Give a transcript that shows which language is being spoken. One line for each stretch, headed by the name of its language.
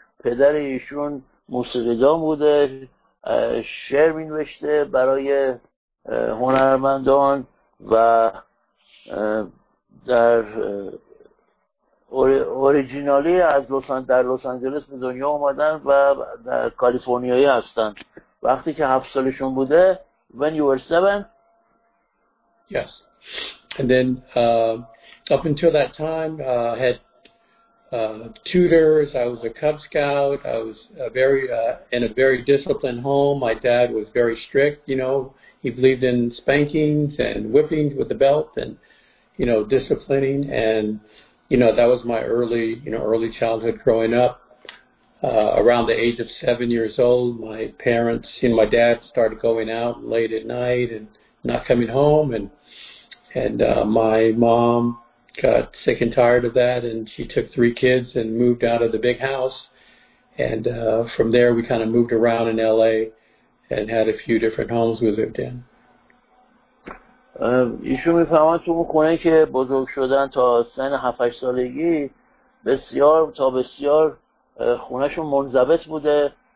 Persian: پدر ایشون موسیقیدان بوده، شعر می‌نوشته برای هنرمندان و در اوریجینالی از لس آنجلس به دنیا اومدن و در کالیفرنیایی هستن. وقتی که 7 سالشون بوده،
English: when you were 7, yes, and then up until that time I had tutors, I was a Cub Scout, I was in a very disciplined home. My dad was very strict, you know, he believed in spankings and whippings with the belt and, you know, disciplining, and, you know, that was my early childhood growing up. Around the age of 7 years old, my parents, you know, my dad started going out late at night and not coming home, and my mom got sick and tired of that, and she took 3 kids and moved out of the big house. And from there, we kind of moved around in L.A. and had a few different homes we lived in.
Persian: ایشون میفهمن تو اون خونه که بزرگ شدن تا سن 7-8 سالگی بسیار خونهشون منضبط بوده.